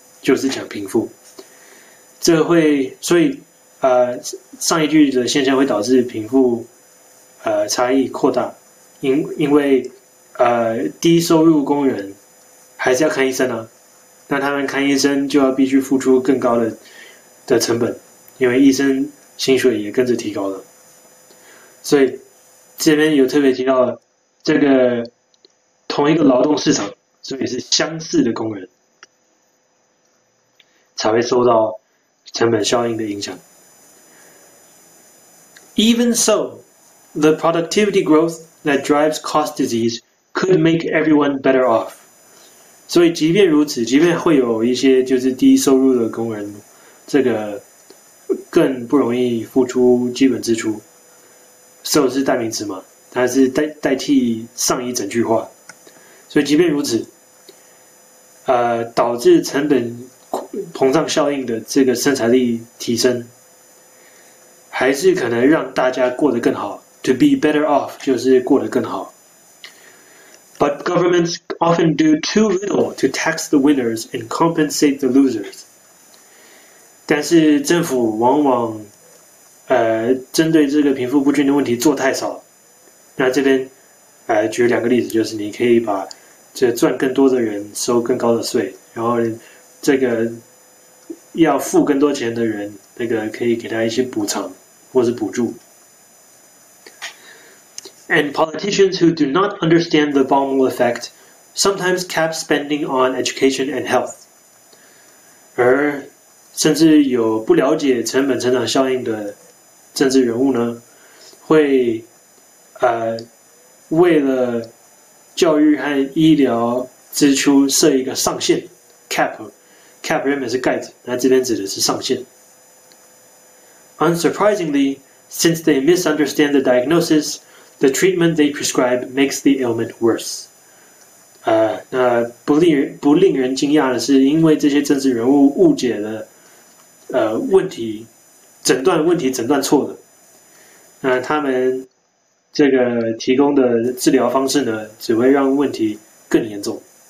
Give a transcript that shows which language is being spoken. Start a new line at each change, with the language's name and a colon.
Chinese: 就是讲贫富，这会，所以，上一句的现象会导致贫富，差异扩大，因为，低收入工人还是要看医生啊，那他们看医生就要必须付出更高的成本，因为医生薪水也跟着提高了，所以这边有特别提到这个同一个劳动市场，所以是相似的工人。才会受到成本效应的影响。
English: Even so, the productivity growth that drives cost disease could make everyone better off。
Chinese: 所以，即便如此，即便会有一些就是低收入的工人，这个更不容易付出基本支出。 So 是代名词嘛？它是代替上一整句话。所以，即便如此，导致成本膨胀效应的这个生产力提升，还是可能让大家过得更好，
English: to be better off
Chinese: 就是过得更好。
English: But governments often do too little to tax the winners and compensate the losers。
Chinese: 但是政府往往，针对这个贫富不均的问题做太少。那这边，举两个例子，就是你可以把这赚更多的人收更高的税，然后这个要付更多钱的人，那个可以给他一些补偿或是补助。
English: And politicians who do not understand the bubble effect sometimes cap spending on education and health。
Chinese: 而甚至有不了解成本成长效应的政治人物呢，会为了教育和医疗支出设一个上限 cap 原本是盖子，那这边指的是上限。
English: Unsurprisingly, since they misunderstand the diagnosis, the treatment they prescribe makes the ailment worse。
Chinese: 那不令人惊讶的是，因为这些政治人物误解了问题诊断错了，那他们这个提供的治疗方式呢，只会让问题更严重。